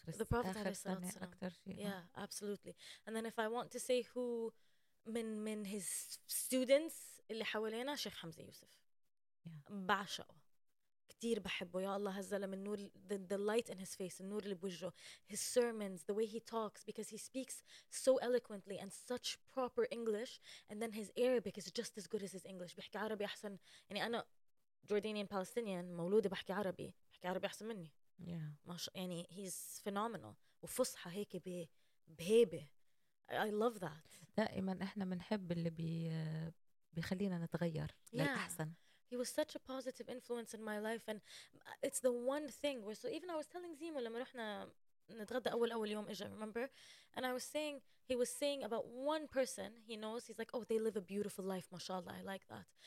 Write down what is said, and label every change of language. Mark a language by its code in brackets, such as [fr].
[en] the Prophet, yeah, absolutely. And then if I want to say who min his students, [ar] اللي حوالينا, [en] Sheikh Hamza Yusuf. Yeah. [ar] بعشقه. كتير بحبه. يا الله هزل من النور, [en] the light in his face, [ar] النور اللي بوجهه, [en] his sermons, the way he talks, because he speaks so eloquently and such proper English, and then his Arabic is just as good as his English. [ar] بحكي عربي أحسن, يعني أنا Jordanian Palestinian, مولودة بحكي عربي, بحكي عربي أحسن مني. [en] Yeah. يعني he's phenomenal. [ar] وفصحة هيك بهيبة. [en] I love that. [ar] دائما إحنا منحب اللي بيخلينا نتغير للأحسن. Yeah. [en] He was such a positive influence in my life, and it's the one thing where, so even I was telling Zimo [ar] لما رحنا نتغدى أول يوم إجا, [en] remember, and I was saying, he was saying about one person he knows, he's like, oh, they live a beautiful life, mashallah, I like that.